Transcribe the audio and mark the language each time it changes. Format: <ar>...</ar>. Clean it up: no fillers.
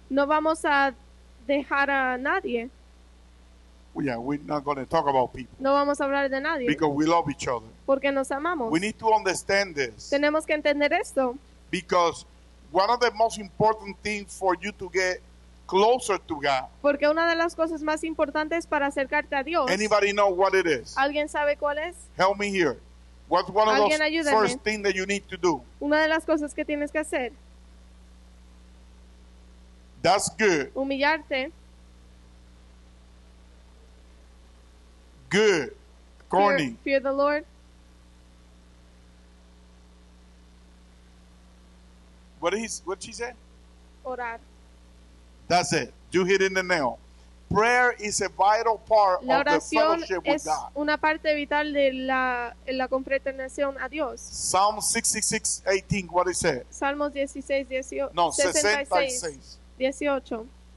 <es>No vamos a dejar a nadie.</es> <en>Well, yeah, we're not going to talk about people.</en> <es>No vamos a hablar de nadie.</es> <en>Because we love each other.</en> <es>Porque nos amamos.</es> <en>We need to understand this.</en> <es>Tenemos que entender esto.</es> <en>Because one of the most important things for you to get closer to God.</en> <es>Porque una de las cosas más importantes para acercarte a Dios.</es> <en>Anybody know what it is?</en> <es>¿Alguien sabe cuál es?</es> <en>Help me here. What's one of those first things that you need to do?</en> <es>Una de las cosas que tienes que hacer.</es> <en>That's good.</en> <es>Humillarte.</es> <en>Good. Corny. Fear the Lord. What she said?</en> <es>Orar.</es> <en>That's it. You hit in the nail. Prayer is a vital part of the fellowship with God.</en> <es>La oración es una parte vital de la confraternización a Dios.</es> <en>Psalm 66, 18. What is it?</en> <es>Salmos 16, 18. No, 66. 18.</es>